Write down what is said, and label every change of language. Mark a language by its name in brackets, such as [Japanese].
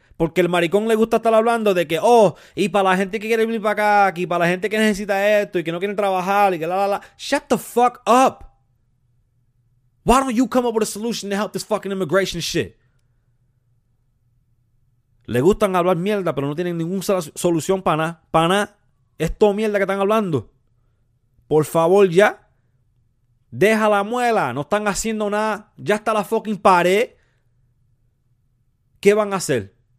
[Spanish] Porque el maricón le gusta estar hablando de que, oh, y para la gente que quiere venir para acá, y para la gente que necesita esto, y que no quiere trabajar, y que la, la, la. [English] Shut the fuck up. Why don't you come up with a solution to help this fucking immigration shit? [Spanish] Le gustan hablar mierda, pero no tienen ninguna solución para nada. Para nada. Es todo mierda que están hablando. Por favor, ya. Deja la muela. No están haciendo nada. Ya está la fucking pared. ¿Qué van a hacer?